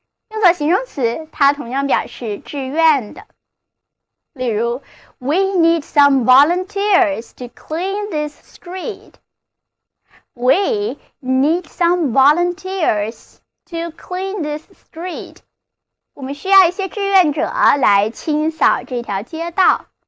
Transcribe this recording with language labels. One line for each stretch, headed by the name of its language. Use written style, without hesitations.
Chinese: 用作形容词它同样表示志愿的。例如
English: We need some volunteers to clean this street. We need some volunteers to clean this street.
Chinese: 我们需要一些志愿者来清扫这条街道。